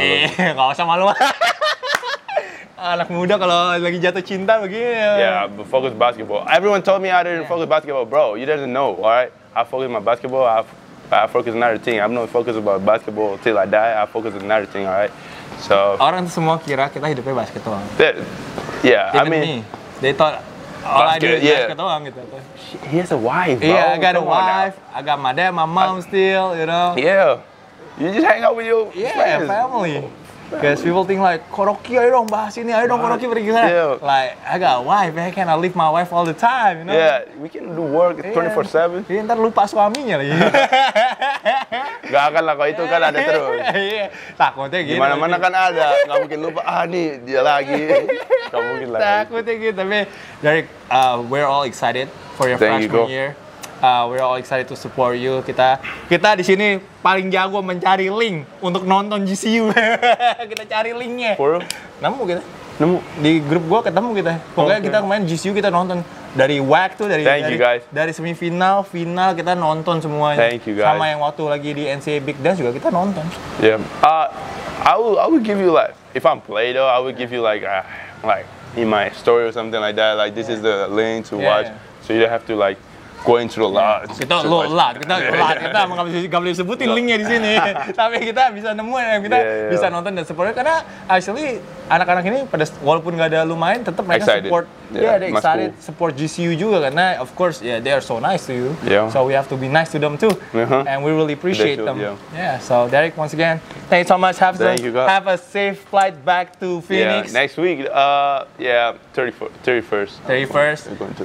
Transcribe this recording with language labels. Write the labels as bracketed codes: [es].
[id] Gak usah malu. Anak muda kalau lagi jatuh cinta begini. [en] Yeah, but focus basketball. Everyone told me I didn't focus basketball. Bro, you didn't know, all right? I focus my basketball. I focus on another thing. I'm not focused about basketball till I die. I focus on another thing, alright? So [id] orang semua kira kita hidupnya basket doang. [en] Yeah, even I mean me, they thought all basket, I do is basket [id] doang gitu. [en] He has a wife, bro. Yeah, I got a wife. I got my dad, my mom still, you know. Yeah. You just hang out with your friends. Yeah, family. Because people think like, [id] Koroki, ayo dong bahas ini, ayo dong Koroki pergi sana. [en] Like, I got a wife, man, can I leave my wife all the time, you know? Yeah, we can do work 24-7. [id] Iya, ntar lupa suaminya lagi. Gak akan lah, kalau itu kan ada terus. Takutnya gitu. Dimana-mana kan ada, gak mungkin lupa, nih, dia lagi. Gak mungkin lagi. Takutnya gitu, tapi [en] Derrick, we're all excited for your freshman year. We're all excited to support you. [id] Kita di sini paling jago mencari link untuk nonton GCU. Kita cari linknya. [en] For? [id] Nemu kita. Nemu di grup gua ketemu kita. Pokoknya kita kemarin GCU kita nonton dari WAC tuh dari semifinal, final kita nonton semuanya. [en] Thank you guys. [id] Sama yang waktu lagi di NCAA Big Dance juga kita nonton. [en] Yeah. I would give you like, if I'm played though, I would give you like in my story or something like that, like this is the lane to watch, so you don't have to like go into the lot. [id] Kita lo lot, kita nggak boleh sebutin linknya di sini, tapi kita bisa nemuin, kita bisa nonton dan support, karena actually anak-anak ini pada walaupun nggak ada lu main, tetap mereka [en] excited. Support, yeah, they excited, cool. Support GCU [id] juga, karena [en] of course yeah they are so nice to you, so we have to be nice to them too, and we really appreciate them. So Derrick, once again, thank you so much. Have a safe flight back to Phoenix. Yeah, next week, 31st.